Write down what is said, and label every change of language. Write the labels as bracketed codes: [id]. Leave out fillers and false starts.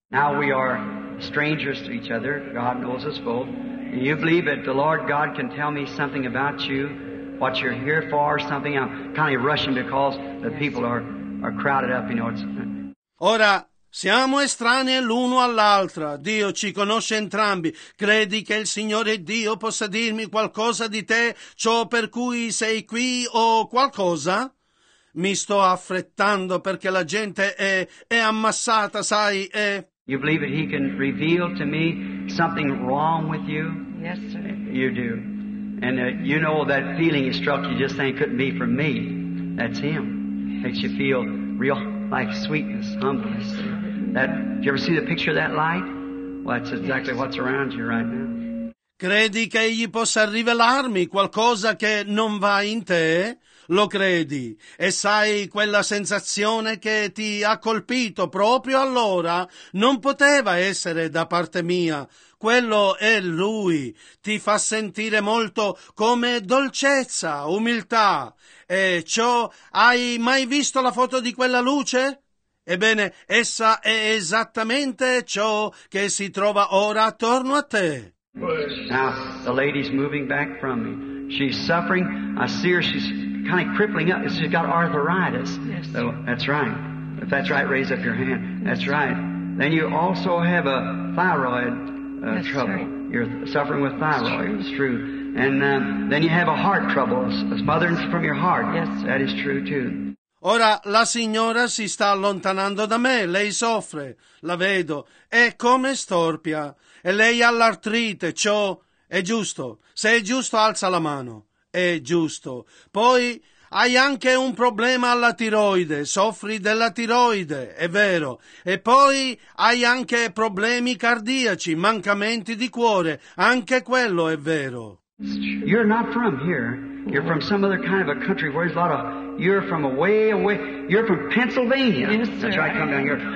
[en] Now we are strangers to each other. God knows us both. And you believe that the Lord God can tell me something about you, what you're here for, something. I'm kind of rushing because the people are crowded up, you know. [it] Ora, siamo estranei l'uno all'altra. Dio ci conosce entrambi. Credi che il Signore Dio possa dirmi qualcosa di te, ciò per cui sei qui o qualcosa? Mi sto affrettando perché la gente è ammassata, sai, e... [en] You believe that he can reveal to me something wrong with you? Yes, sir. You do. And you know that feeling he struck you just saying it couldn't be from me. That's him. Makes you feel real... Like sweetness, humbleness. That, you ever see the picture of that light? Well, that's exactly what's around you right now. [it] Credi che egli possa rivelarmi qualcosa che non va in te? Lo credi? E sai quella sensazione che ti ha colpito proprio allora? Non poteva essere da parte mia. Quello è lui. Ti fa sentire molto come dolcezza, umiltà. E ciò, hai mai visto la foto di quella luce? Ebbene, essa è esattamente ciò che si trova ora attorno a te. [en] Now, the lady's moving back from me. She's suffering. I see her. She's kind of crippling up. She's got arthritis. Yes. So, that's right. If that's right, raise up your hand. That's right. Then you also have a thyroid trouble. Right. You're suffering with thyroid. It's true. And then you have a heart trouble, a smothering from your heart. Yes. That is true too. [it] Ora la signora si sta allontanando da me, lei soffre, la vedo, è come storpia, e lei ha l'artrite, ciò è giusto, se è giusto alza la mano, è giusto. Poi hai anche un problema alla tiroide, soffri della tiroide, è vero, e poi hai anche problemi cardiaci, mancamenti di cuore, anche quello è vero. [en] You're not from here. You're from some other kind of a country where there's a lot of... You're from away. You're from Pennsylvania. Yes, sir. That's right. Come down here.